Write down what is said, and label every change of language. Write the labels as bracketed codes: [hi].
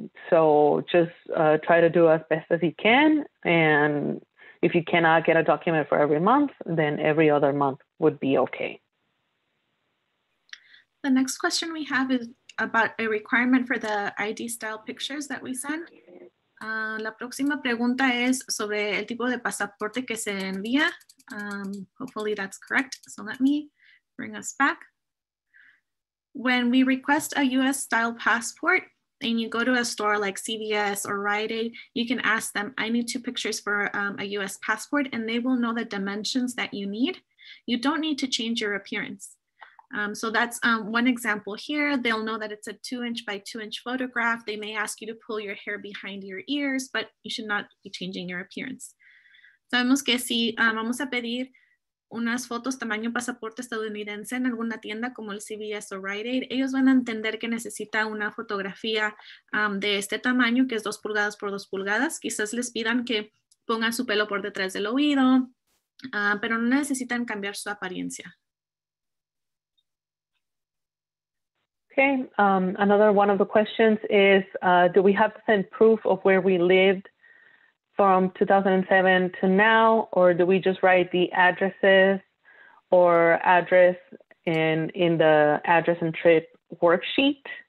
[en] So just try to do as best as you can, and if you cannot get a document for every month, then every other month would be okay. The next question we have is about a requirement for the ID style pictures that we send. [es] La próxima pregunta es sobre el tipo de pasaporte que se envía. [en] Hopefully that's correct, so let me bring us back. When we request a U.S. style passport and you go to a store like CVS or Rite Aid, you can ask them, I need two pictures for a U.S. passport, and they will know the dimensions that you need. You don't need to change your appearance. So that's one example here. They'll know that it's a 2-inch by 2-inch photograph. They may ask you to pull your hair behind your ears, but you should not be changing your appearance. [es] Sabemos que si vamos a pedir unas fotos tamaño pasaporte estadounidense en alguna tienda como el CVS o Rite Aid, ellos van a entender que necesita una fotografía de este tamaño, que es 2 pulgadas por 2 pulgadas. Quizás les pidan que pongan su pelo por detrás del oído, pero no necesitan cambiar su apariencia. [en] Okay, another one of the questions is, do we have to send proof of where we lived from 2007 to now, or do we just write the addresses or address in the address and trip worksheet?